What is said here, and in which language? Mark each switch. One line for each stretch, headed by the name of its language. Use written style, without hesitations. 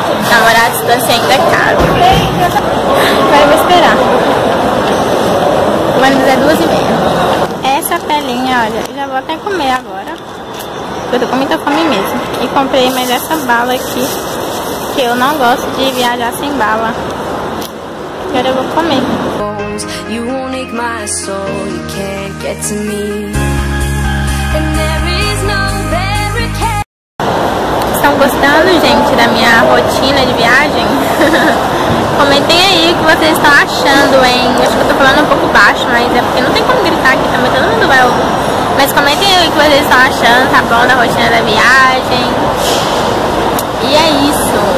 Portuguese: Namorar a distância ainda é caro. Agora eu vou esperar. O ônibus é 2h30. Essa pelinha, olha, já vou até comer agora. Eu tô com muita fome mesmo. E comprei mais essa bala aqui, que eu não gosto de viajar sem bala. Agora eu vou comer.
English: You won't ache my soul, you can't get to me. And there is no barricade.
Portuguese: Estão gostando, gente, da minha rotina de viagem? Comentem aí o que vocês estão achando, hein? Acho que eu tô falando um pouco baixo, mas é porque não tem como gritar aqui também, todo mundo vai ouvir. Mas comentem aí o que vocês estão achando, tá bom, da rotina da viagem. E é isso.